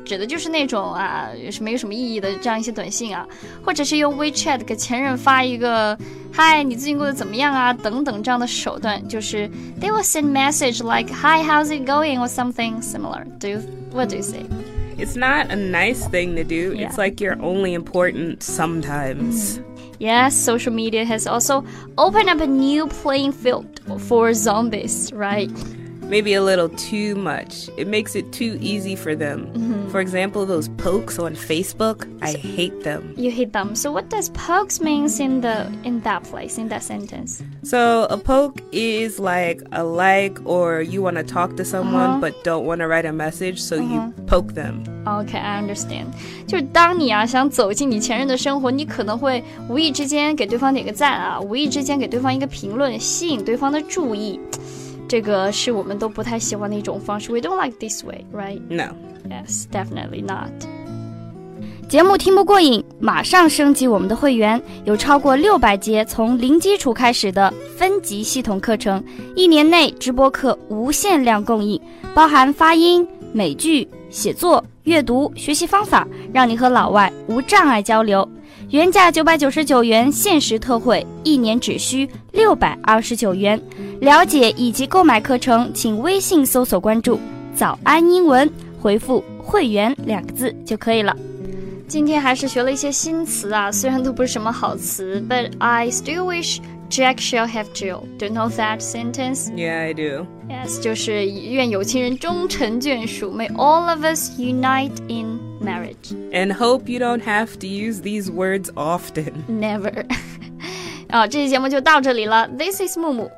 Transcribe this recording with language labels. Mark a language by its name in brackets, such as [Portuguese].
[Chinese] 指的就是那种啊是没有什么意义的这样一些短信啊或者是用 WeChat 给前任发一个嗨你最近过得怎么样啊等等这样的手段就是 [English] They will send message like Hi, how's it going? Or something similar What do you say? it's not a nice thing to do. Yeah. It's like you're only important sometimes. Yes, social media has also opened up a new playing field for zombies, right? Maybe a little too much. It makes it too easy for them. Mm-hmm. For example, those pokes on Facebook, I hate them. You hate them. So what does pokes mean in that sentence? So a poke is like a like, or you want to talk to someone uh-huh. but don't want to write a message, so uh-huh. you poke them. Okay, I understand. [Chinese] 就是当你啊想走进你前任的生活，你可能会无意之间给对方点个赞啊，无意之间给对方一个评论，吸引对方的注意。这个是我们都不太喜欢的一种方式。 [English] We don't like this way, right? No. Yes, definitely not. [Chinese] 节目听不过瘾，马上升级我们的会员，有超过600节从零基础开始的分级系统课程，一年内直播课无限量供应，包含发音、美剧、写作、阅读、学习方法，让你和老外无障碍交流。原价999元，限时特惠，一年只需629元。了解以及购买课程，请微信搜索关注“早安英文”，回复“会员”两个字就可以了。今天还是学了一些新词啊，虽然都不是什么好词 ， [English] But I still wish Jack shall have Jill. Do you know that sentence? Yeah, I do. Yes, [Chinese] 就是愿有情人终成眷属 [English] ，May all of us unite in marriage. And hope you don't have to use these words often. Never. [Chinese] 哦，这期节目就到这里了。 [English] This is Mumu.